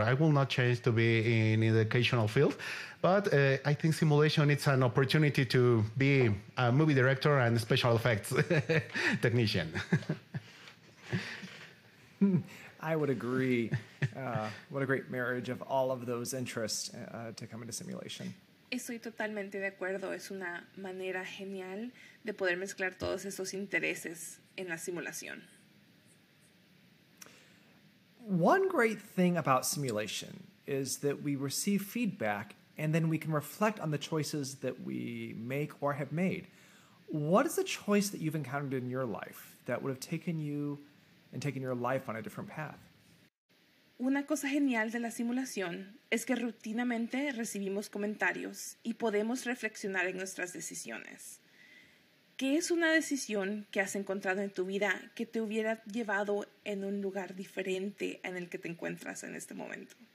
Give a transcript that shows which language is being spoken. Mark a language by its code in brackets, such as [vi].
[en] I will not change to be in the educational field. But I think simulation is an opportunity to be a movie director and special effects technician. I would agree. What a great marriage of all of those interests to come into simulation. [es] Estoy totalmente de acuerdo. Es una manera genial de poder mezclar todos esos intereses en la simulación. [en] One great thing about simulation is that we receive feedback and then we can reflect on the choices that we make or have made. What is a choice that you've encountered in your life that would have taken you and taken your life on a different path? [es] Una cosa genial de la simulación es que rutinamente recibimos comentarios y podemos reflexionar en nuestras decisiones. ¿Qué es una decisión que has encontrado en tu vida que te hubiera llevado en un lugar diferente en el que te encuentras en este momento?